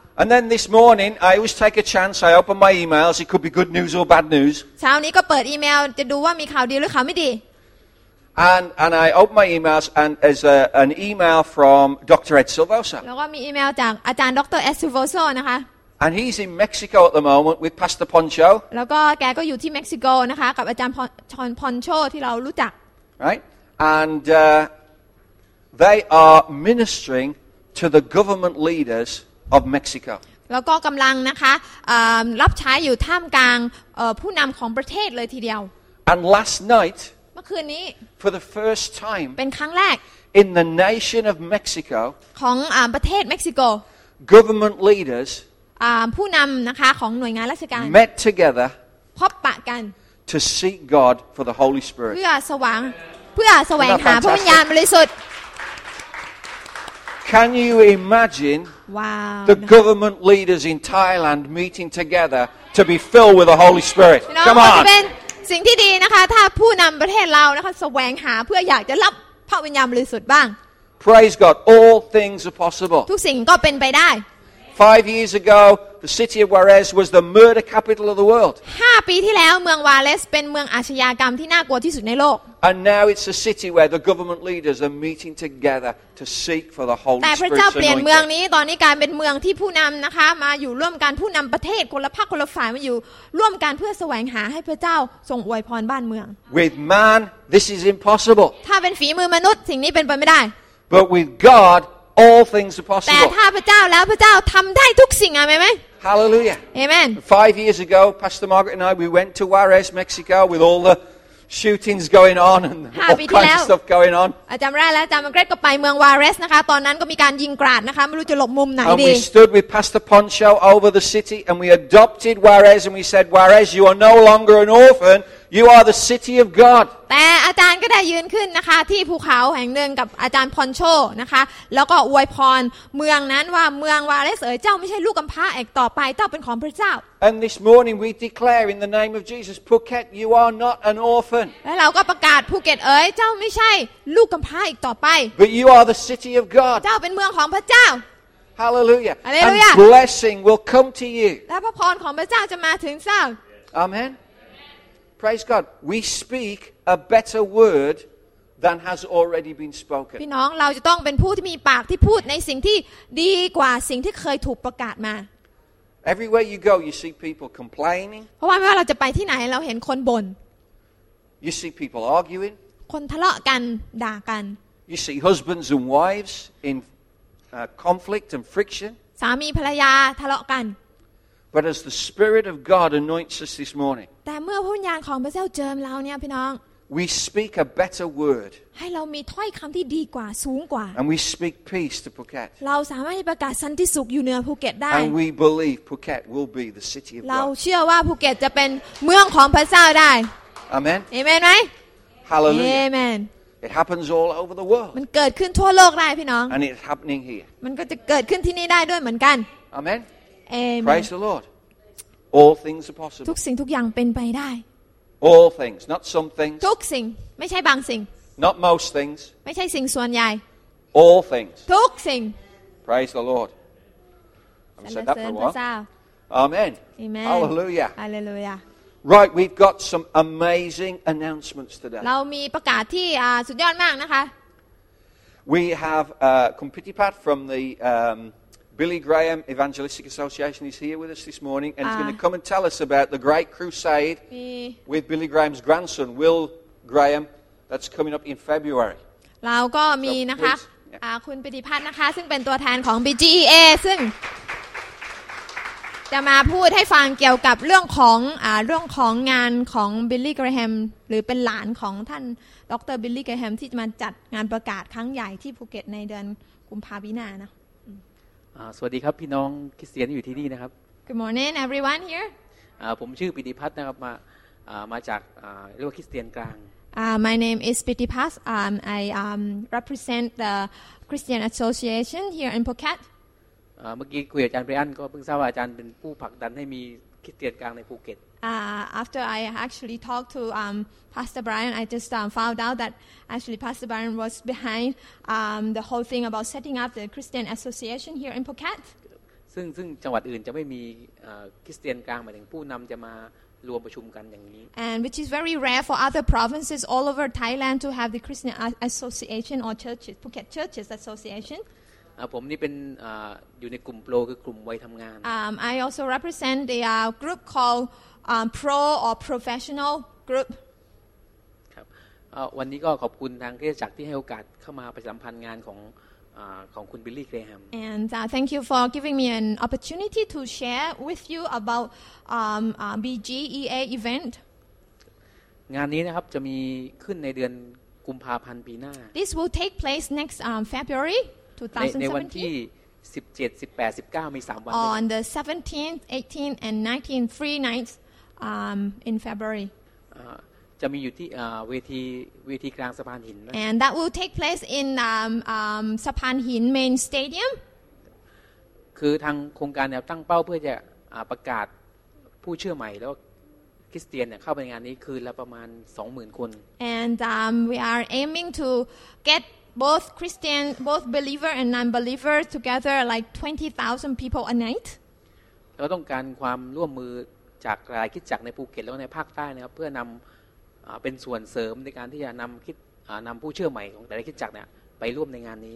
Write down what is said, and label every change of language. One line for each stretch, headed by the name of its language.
English: And then this morning I always take a chance I open my emails it could be good news or bad news.
Thai: เช้านี้ก็เปิดอีเมลจะดูว่ามีข่าวดีหรือข่าวไม่ดี
English: And I open my emails and there's an email from Dr. Ed Silvoso.
Thai: แล้วก็มีอีเมลจากอาจารย์ดร.Ed Silvoso นะคะ
English: And he's in Mexico at the moment with Pastor Poncho.
Thai: แล้วก็แกก็อยู่ที่เม็กซิโกนะคะกับอาจารย์ชอนพอนโชที่เรารู้จัก
English: Right? And they are ministering to the government leaders of Mexico.
Thai: แล้วก็กำลังนะคะรับใช้อยู่ท่ามกลางผู้นำของประเทศเลยทีเดียว
English: And last night,
Thai: เมื่อคืนนี้
English: for the first time,
Thai: เป็นครั้งแรก
English: in the nation of Mexico,
Thai: ของประเทศเม็กซิโก
English: government leaders
Thai: ผู้นำนะคะของหน่วยงานราชการ
English: met together
Thai: พบปะกัน
English: to seek God for the Holy Spirit
Thai: เพื่อแสวงหาพระวิญญาณบริสุทธิ์
English: Can you imagine wow. the government leaders in Thailand meeting together to be filled with the Holy Spirit Come on
Thai: เป็นสิ่งที่ดีนะคะถ้าผู้นำประเทศเรานะคะแสวงหาเพื่ออยากจะรับพระวิญญาณบริสุทธิ์บ้าง
English: Praise God all things are possible
Thai: ทุกสิ่งก็เป็นไปได้
English: 5 years ago, the city of Juarez was the murder capital of the world.
Thai: 5ปีที่แล้วเมืองวาเลสเป็นเมืองอาชญากรรมที่น่ากลัวที่สุดในโลก
English: And now it's a city where the government leaders are meeting together to seek for the Holy Spirit.
Thai: แต่พระเจ้าเปลี่ยนเมืองนี้ตอนนี้กลายเป็นเมืองที่ผู้นำนะคะมาอยู่ร่วมกันผู้นำประเทศคนละภาคคนละฝ่ายมาอยู่ร่วมกันเพื่อแสวงหาให้พระเจ้าทรงอวยพรบ้านเมือง
English: With man, this is impossible.
Thai: ถ้าเป็นฝีมือมนุษย์สิ่งนี้เป็นไปไม่ได้
English: But with God. All things are possible.
Thai: แต่ถ้าพระเจ้าแล้วพระเจ้าทำได้ทุกสิ่งอ่ะไหมไหม
English: Hallelujah. Amen. 5 years ago, Pastor Margaret and I we went to Juarez, Mexico, with all the shootings going on and all kinds of stuff going on.
Thai: อาจารย์แล้วอาจารย์มาร์เกรตก็ไปเมืองวาเรสนะคะตอนนั้นก็มีการยิงกราดนะคะไม่รู้จะหลบมุมไหนดี
English: And we stood with Pastor Poncho over the city, and we adopted Juarez, and we said, Juarez, you are no longer an orphan. You are the city of God.
Thai: แต่อาจารย์ก็ได้ยืนขึ้นนะคะที่ภูเขาแห่งหนึ่งกับอาจารย์พรโชนะคะแล้วก็อวยพรเมืองนั้นว่าเมืองวาเลสเอ๋ยเจ้าไม่ใช่ลูกกำพร้าอีกต่อไปเจ้าเป็นของพระเจ้า
English: And this morning we declare in the name of Jesus Phuket you are not an orphan.
Thai: แล้วเราก็ประกาศภูเก็ตเอ๋ยเจ้าไม่ใช่ลูกกำพร้าอีกต่อไป
English: But you are the city of God.
Thai: เจ้าเป็นเมืองของพระเจ้า
English: Hallelujah. Hallelujah. And blessing will come to you.
Thai: และพระพรของพระเจ้าจะมาถึงเจ้า
English: Amen. Praise God. We speak a better word than has already been spoken.
Thai: พี่น้องเราจะต้องเป็นผู้ที่มีปากที่พูดในสิ่งที่ดีกว่าสิ่งที่เคยถูกประกาศมา
English: Everywhere you go, you see people complaining.
Thai: เพราะว่าไม่ว่าเราจะไปที่ไหนเราเห็นคนบ่น
English: You see people arguing.
Thai: คนทะเลาะกันด่ากัน
English: You see husbands and wives inconflict and friction
Thai: สามีภรรยาทะเลาะกัน
English: But as the spirit of God anoints us this morning
Thai: แต่เมื่อพระวิญญาณของพระเจ้าเจิมเราเนี่ยพี่น้อง
English: We speak a better word
Thai: ให้เรามีถ้อยคําที่ดีกว่าสูงกว่า
English: And we speak peace to Phuket
Thai: เราสามารถประกาศสันติสุขอยู่เหนือภูเก็ตได้
English: And we believe Phuket will be the city of God
Thai: เราเชื่อว่าภูเก็ตจะเป็นเมืองของพระเจ้าได้
English: Amen
Thai: Amen มั้ย
English: Hallelujah Amen It happens all over the world.
Thai: มันเกิดขึ้นทั่วโลกได้พี่น้อง
English: And it's happening here.
Thai: มันก็จะเกิดขึ้นที่นี่ได้ด้วยเหมือนกัน
English: Amen. Amen. Praise the Lord. All things are possible.
Thai: ทุกสิ่งทุกอย่างเป็นไปได้
English: All things, not some things.
Thai: ทุกสิ่งไม่ใช่บางสิ่ง
English: Not most things.
Thai: ไม่ใช่สิ่งส่วนใหญ่
English: All things.
Thai: ทุกสิ่ง
English: Praise the Lord. I've said that for a while. Amen. Amen. Hallelujah. Hallelujah. Right, we've got some amazing announcements today.
Thai: เรามีประกาศที่สุดยอดมากนะคะ
English: We have Kumpitipat from the Billy Graham Evangelistic Association is here with us this morning, and he's going to come and tell us about the Great Crusade with Billy Graham's grandson, Will Graham, that's coming up in February.
Thai: เราก็มีนะคะคุณปิติพัฒน์นะคะซึ่งเป็นตัวแทนของ BGEA ซึ่งจะมาพูดให้ฟังเกี่ยวกับเรื่องของเรื่องของงานของบิลลี่แกรแฮมหรือเป็นหลานของท่านดร.บิลลี่แกรแฮมที่จะมาจัดงานประกาศครั้งใหญ่ที่ภูเก็ตในเดือนกุมภาพันธ์นะ สวัสดีครับพี่น้องคริสเตียนอยู่ที่นี่นะครับ
English: Good morning everyone here
Thai: ผมชื่อปิติพัฒน์นะครับมาจากเรียกว่าคริสเตียนกลาง
English: My name is Pitipat I represent the Christian Association here in Phuket
Thai: เมื่อกี้คุยอาจารย์เบรียนก็เพิ่งทราบว่าอาจารย์เป็นผู้ผลักดันให้มีคริสเตียนกลางในภูเก็ต
English: After I actually talked to Pastor Brian I just found out that actually Pastor Brian was behind the whole thing about setting up the Christian Association here in Phuket
Thai: ซึ่งจังหวัดอื่นจะไม่มีคริสเตียนกลางหมายถึงผู้นำจะมารวมประชุมกันอย่างนี้
English: And which is very rare for other provinces all over Thailand to have the Christian Association or churches Phuket Churches Association
Thai: ผมนี่เป็นอยู่ในกลุ่มโปรคือกลุ่มวัยทำงาน
English: I also represent the group called pro or professional group
Thai: ครับวันนี้ก็ขอบคุณทางคริสตจักรที่ให้โอกาสเข้ามาประสัมพันธ์งานของคุณบิลลี่แกรแฮม
English: and thank you for giving me an opportunity to share with you about BGEA event
Thai: งานนี้นะครับจะมีขึ้นในเดือนกุมภาพันธ์ปีหน้า
English: this will take place next February
Thai: ในวันที่17 18 19มี3วัน
English: On the 17th 18th and 19th three nights in February
Thai: จะมีอยู่ที่เวทีกลางสะพานหิน
English: And that will take place in สะพานหิน main stadium
Thai: คือทางโครงการเนี่ยตั้งเป้าเพื่อจะประกาศผู้เชื่อใหม่แล้วคริสเตียนเนี่ยเข้าไปงานนี้คือละประมาณ 20,000 คน
English: And we are aiming to getBoth Christian, both believer and non-believer together, like 20,000 people a night.
Thai: เราต้องการความร่วมมือจากหลายคริสตจักรในภูเก็ตแล้วในภาคใต้นะครับเพื่อนำเป็นส่วนเสริมในการที่จะนำผู้เชื่อใหม่ของแต่ละคริสตจักรเนี่ยไปร่วมในงานนี